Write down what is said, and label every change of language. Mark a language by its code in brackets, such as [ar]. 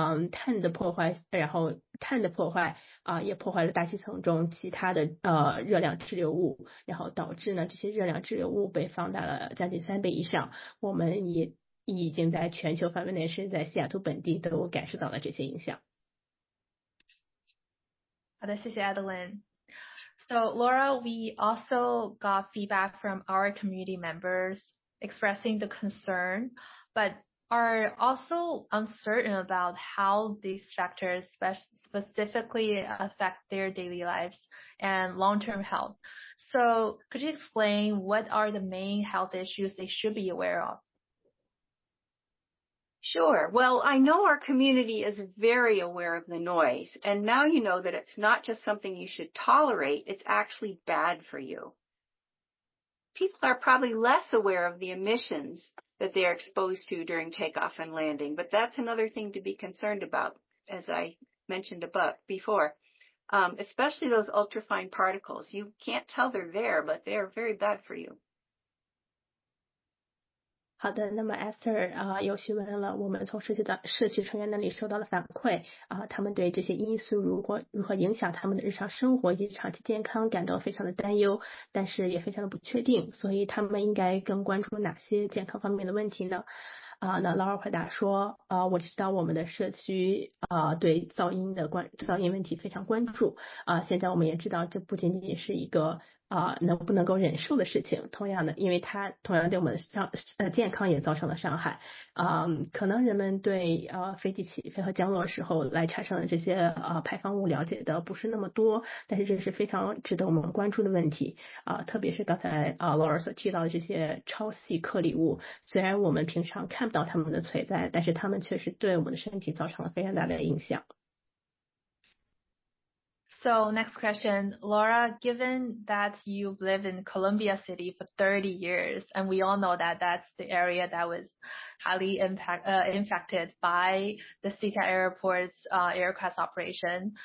[zh] 碳的破坏，然后碳的破坏也破坏了大气层中其他的热量滞留物，然后导致呢这些热量滞留物被放大了将近三倍以上。我们已经在全球范围内，甚至在西雅图本地都感受到了这些影响。好的，谢谢 Adeline。 [en] So Laura, we also got feedback from our community members expressing the concern, but are also uncertain about how these factors specifically affect their daily lives and long-term health. So could you explain what are the main health issues they should be aware of? Sure. Well, I know our community is very aware of the noise, and now you know that it's not just something you should tolerate, it's actually bad for you. People are probably less aware of the emissions that they are exposed to during takeoff and landing, but that's another thing to be concerned about, as I mentioned before, especially those ultrafine particles. You can't tell they're there, but they are very bad for you. [zh] 好的，那么 Esther 又询问了我们从社区成员那里收到的反馈他们对这些因素如何影响他们的日常生活以及长期健康感到非常的担忧，但是也非常的不确定，所以他们应该更关注哪些健康方面的问题呢？那 Laura 回答说我知道我们的社区对噪音问题非常关注现在我们也知道这不仅仅是一个能不能够忍受的事情，同样的，因为它同样对我们的健康也造成了伤害。可能人们对飞机起飞和降落时候来产生的这些排放物了解的不是那么多，但是这是非常值得我们关注的问题。特别是刚才Laura 所提到的这些超细颗粒物，虽然我们平常看不到它们的存在，但是它们确实对我们的身体造成了非常大的影响。 [en] So next question, Laura, given that you've lived in Columbia City for 30 years, and we all know that that's the area that was highly infected by the CTA Airport's aircraft operation.